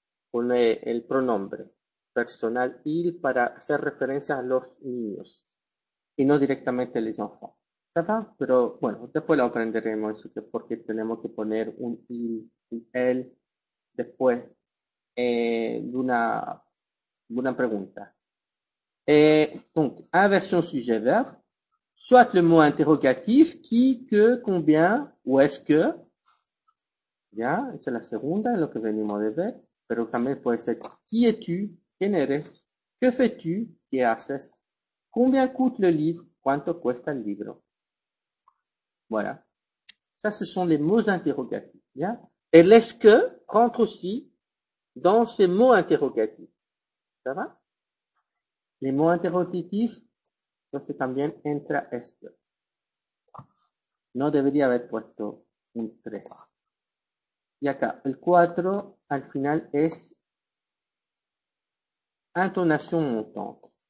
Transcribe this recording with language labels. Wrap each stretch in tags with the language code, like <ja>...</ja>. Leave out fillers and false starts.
<es>Poner el pronombre personal il para hacer referencia a los niños y no directamente a los enfants. ¿Está? Pero bueno, después lo aprenderemos, así que porque tenemos que poner un il y él después de una pregunta. Entonces, inversión sujeto-verbo.</es> <fr>Soit le mot interrogatif, qui, que, combien, ou est-ce que.</fr> <es>Ya, esa es la segunda, lo que venimos de ver. Pero también puede ser,</es> <fr>qui es-tu,</fr> <es>quién eres,</es> <fr>que fais-tu,</fr> <es>qué haces,</es> <fr>combien coûte le livre,</fr> <es>cuánto cuesta el libro.</es> <fr>Voilà. Ça, ce sont les mots interrogatifs. Ya. Et l'est-ce que rentre aussi dans ces mots interrogatifs. Ça va? Les mots interrogatifs,</fr> <es>entonces también entra esto. No debería haber puesto un 3. Y acá, el 4 al final es entonación montante.</es>